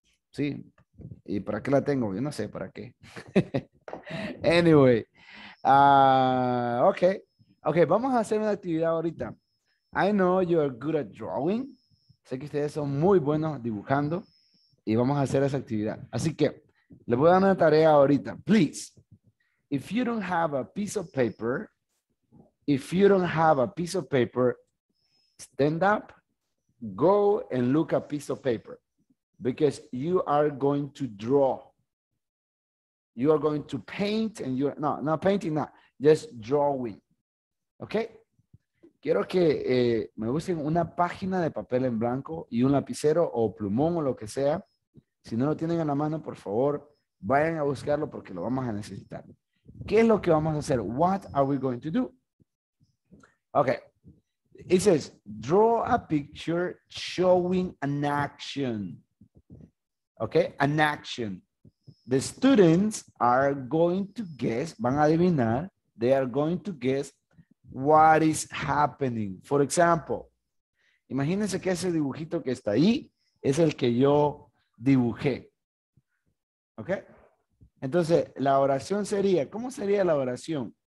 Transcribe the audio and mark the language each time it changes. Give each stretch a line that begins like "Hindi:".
Spanish: Sí, ¿y para qué la tengo? Yo no sé para qué.
English: Anyway, okay. Okay,
Spanish: vamos a hacer una actividad ahorita.
English: I know you're good at drawing.
Spanish: Sé que ustedes son muy buenos dibujando. Y vamos a hacer esa actividad. Así que, le voy a dar una tarea ahorita.
English: Please, if you don't have a piece of paper, stand up, go and look a piece of paper. Because you are going to draw. You are going to paint and you're, no, not painting, not, just drawing.
Spanish: Ok, quiero que me busquen una página de papel en blanco y un lapicero o plumón o lo que sea. Si no lo tienen en la mano, por favor, vayan a buscarlo porque lo vamos a necesitar. ¿Qué es lo que vamos a hacer?
English: What are we going to do? Ok, it says, draw a picture showing an action. Ok, an action. The students are going to guess,
Spanish: van a adivinar,
English: they are going to guess what is happening. For example,
Spanish: imagínense que ese dibujito que está ahí es el que yo dibujé. ¿Ok? Entonces, la oración sería, ¿cómo sería la oración?